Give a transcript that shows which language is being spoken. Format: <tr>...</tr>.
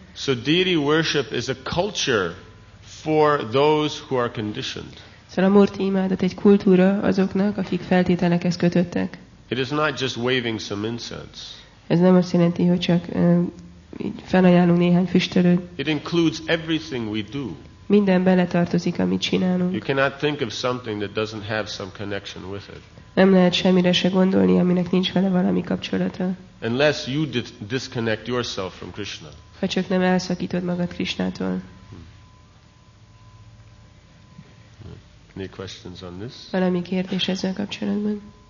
<en>So deity worship is a culture for those who are conditioned.</en> <hu>Szóval a murti imádat egy kultúra azoknak, akik feltételekhez kötöttek.</hu> <en>It is not just waving some incense.</en> <hu>Ez nem azt jelenti, hogy csak felajánlunk néhány füstölőt.</hu> <en>It includes everything we do.</en> <hu>Minden beletartozik, amit csinálunk.</hu> <en>You cannot think of something that doesn't have some connection with it.</en> <hu>Nem lehet semmire se gondolni, aminek nincs vele valami kapcsolata.</hu> <en>Unless you disconnect yourself from Krishna.</en> <hu>Ha csak nem elszakítod magad Krishnától.</hu> <en>Any questions on this?</en> <hu>Valami kérdés ezzel kapcsolatban?</hu>